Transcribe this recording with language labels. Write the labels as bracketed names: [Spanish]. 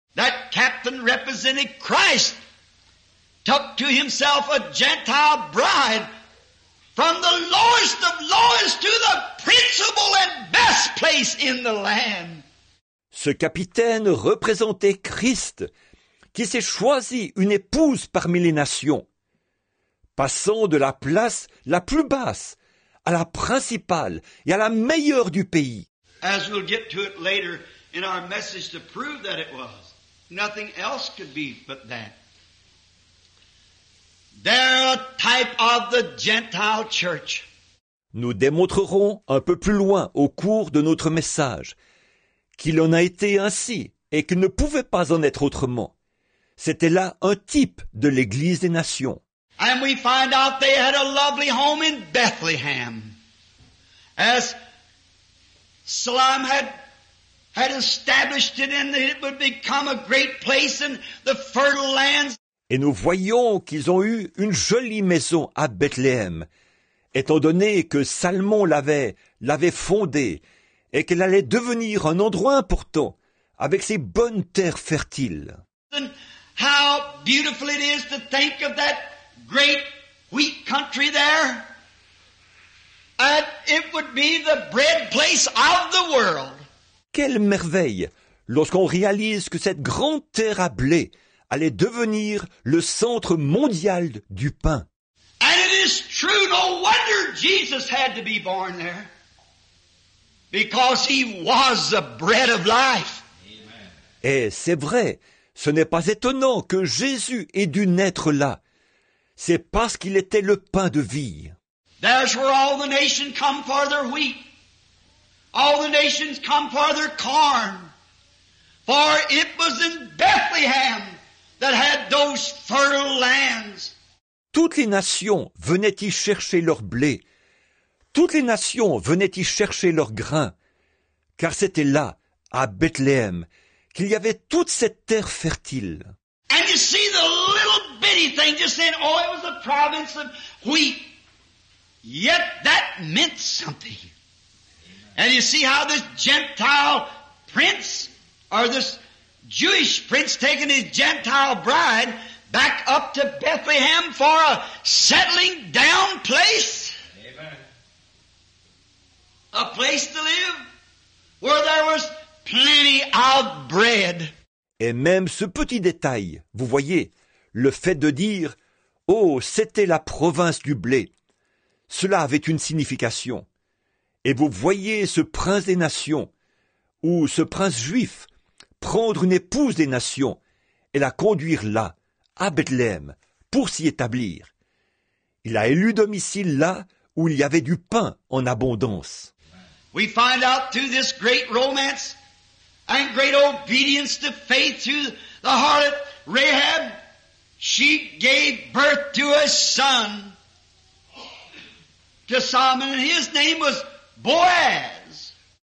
[English] That captain represented Christ. Took to himself a Gentile bride from the lowest of lowest to the principal and best place in the land. [French] Ce capitaine représentait Christ qui s'est choisi une épouse parmi les nations, passant de la place la plus basse à la principale et à la meilleure du pays. [English] As we'll get to it later in our message to prove that it was, nothing else could be but that. They're a type of the Gentile church. [French] Nous démontrerons un peu plus loin au cours de notre message qu'il en a été ainsi et qu'il ne pouvait pas en être autrement. C'était là un type de l'Église des Nations. [English] And we find out they had a lovely home in Bethlehem. As Salam had established it in that it would become a great place in the fertile lands. [French] Et nous voyons qu'ils ont eu une jolie maison à Bethléem, étant donné que Salmon l'avait fondée et qu'elle allait devenir un endroit important avec ses bonnes terres fertiles. [English] And how beautiful it is to think of that great wheat country there, and it would be the bread place of the world. [French] Quelle merveille lorsqu'on réalise que cette grande terre à blé allait devenir le centre mondial du pain. [English] And it is true, no wonder Jesus had to be born there, because he was the bread of life. [French] Et c'est vrai, ce n'est pas étonnant que Jésus ait dû naître là. C'est parce qu'il était le pain de vie. [English] There's where all the nations come for their wheat. All the nations come for their corn. For it was in Bethlehem that had those fertile lands. [French] toutes les nations venaient y chercher leur blé, toutes les nations venaient y chercher leur grain, car c'était là, à Bethléem, qu'il y avait toute cette terre fertile. [English] And you see the little bitty thing just saying, oh, it was a province of wheat. Yet that meant something. And you see how this Gentile prince, or this Jewish prince taking his Gentile bride back up to Bethlehem for a settling down place? Amen. A place to live where there was plenty of bread. [French] Et même ce petit détail, vous voyez, le fait de dire « Oh, c'était la province du blé », cela avait une signification. Et vous voyez ce prince des nations, ou ce prince juif, prendre une épouse des nations et la conduire là, à Bethléem, pour s'y établir. Il a élu domicile là où il y avait du pain en abondance. [English] We find out through this great romance and great obedience to faith through the harlot Rahab, she gave birth to a son, to Solomon, and his name was Boaz.